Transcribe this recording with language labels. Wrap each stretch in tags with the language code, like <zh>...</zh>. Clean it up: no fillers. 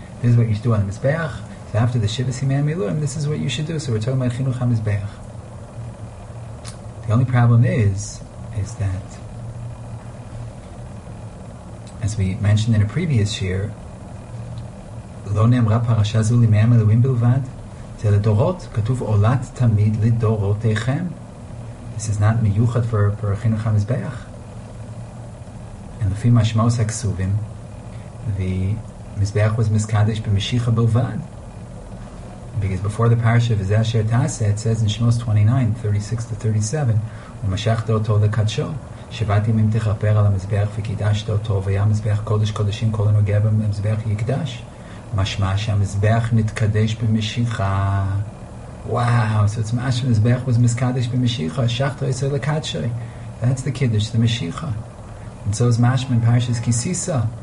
<en>This is what you should do on the mizbeach. So after the shivas ימי המילואים, this is what you should do. So we're talking about chinuch המזבח. The only problem is that, as we mentioned in a previous shir,</en> <he>לא נאמרה פרשה זו לימי המילואים בלבד. זה לדורות, כתוב עולת תמיד לדורותיכם.</he> <en>This is not מיוחד for חינוך המזבח. And</en> <he>לפי משמעות הכסובים,</he> <en>the מזבח was</en> <he>מזקדש במשיחה בלבד.</he> <en>Because before the parasha, וזה אשר תעשה, it says in Shmos 29:36-37,</en> <he>ומשכת אותו לקדשו, שבעת ימים תכפר על המזבח וקידשת אותו, והיה מזבח קודש קודשים, כל הנוגע במזבח יקדש. משמע שהמזבח נתקדש במשיחה. וואו, זאת אומרת שהמזבח הוא מזקדש במשיחה. שחת רצה לקדשי.</he> <en>That's the kiddush, the משיחה. And so is משמע in parashas kisisa.</en>